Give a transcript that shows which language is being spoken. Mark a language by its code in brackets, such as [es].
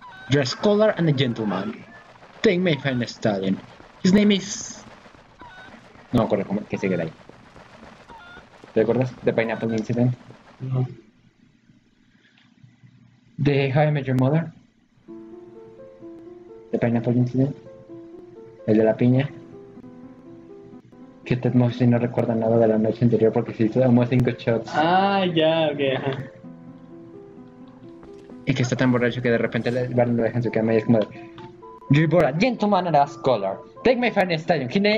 [en] You're a scholar and a gentleman. Take my friend Stalin. His name is... [es] No me acuerdo cómo que sigue de ahí. ¿Te acuerdas de Pineapple Incident? No. ¿De How I Met Your Mother? ¿De Pineapple Incident? ¿El de la piña? Que Ted Mosby no recuerda nada de la noche anterior porque se hizo como 5 shots. Ah, ya, ok. Y que está tan borracho que de repente le van a dejar en su cama y es como de... [en] You're born a gentleman and a scholar. Take my friend Stallion.